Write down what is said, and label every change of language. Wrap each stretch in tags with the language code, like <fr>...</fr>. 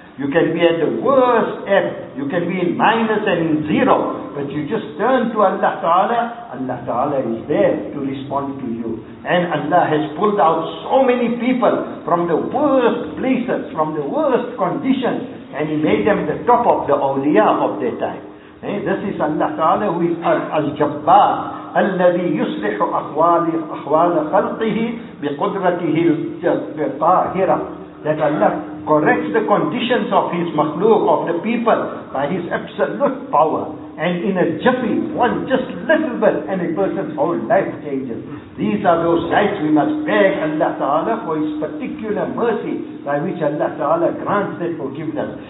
<en>You can be at the worst end, you can be in minus and in zero, but you just turn to Allah Ta'ala is there to respond to you. And Allah has pulled out so many people from the worst places, from the worst conditions, and He made them the top of the awliya of their time. This is Allah Ta'ala who is Al-Jabbar.</en> <ar>الذي يصلح أحوال خلقه بقدرته القاهرة.</ar> <en>That Allah corrects the conditions of His makhluk, of the people, by His absolute power. And in a jiffy, one just little bit, and a person's whole life changes. These are those nights we must beg Allah Ta'ala for His particular mercy, by which Allah Ta'ala grants that forgiveness.</en>